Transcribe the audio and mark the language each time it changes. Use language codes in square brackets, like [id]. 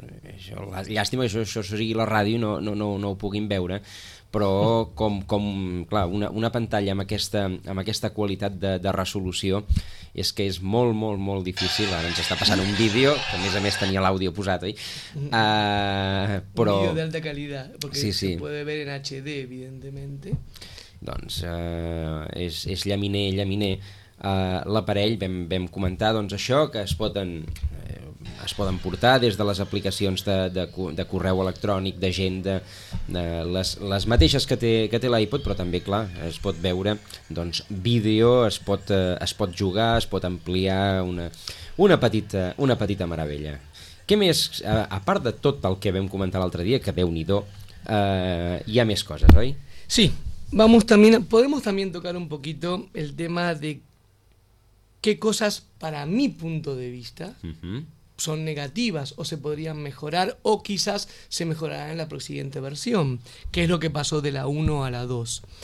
[ca] això, llàstima que això sigui la ràdio, no ho puguin veure, però com clar, una pantalla amb aquesta qualitat de resolució és que és molt, molt, molt difícil. Ara ens està passant un vídeo, que a més tenia l'àudio posat, oi? Però... un vídeo d'alta qualitat, perquè sí. [es] Se puede ver en HD, evidentment. [ca] Doncs és llaminer. L'aparell, vam comentar doncs, això, que es poden portar des de les aplicacions de correu electrònic, d'agenda, les mateixes que té l'iPod, però també, clar, es pot veure doncs, vídeo, es pot jugar, es pot ampliar, una petita meravella. Què més, a part de tot el que vam comentar l'altre dia, que déu-n'hi-do, hi ha més coses, oi? [es] Sí, vamos también, podemos también tocar un poquito el tema de qué cosas, para mi punto de vista, son negativas o se podrían mejorar o quizás se mejorarán en la siguiente versión, que es lo que pasó de la 1 a la 2.